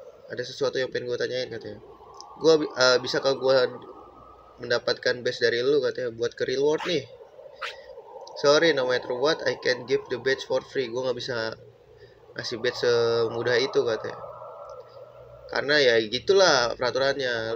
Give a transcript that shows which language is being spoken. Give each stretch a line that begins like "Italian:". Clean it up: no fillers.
Indonesian: Ada sesuatu yang pengen gue tanyain katanya. Gue bisa kah gue mendapatkan base dari lu katanya. Buat ke reward nih.
English: Sorry, no matter what, I can give the badge for free.
Indonesian: Gue gak bisa ngasih badge semudah itu, katanya. Karena ya gitulah peraturannya.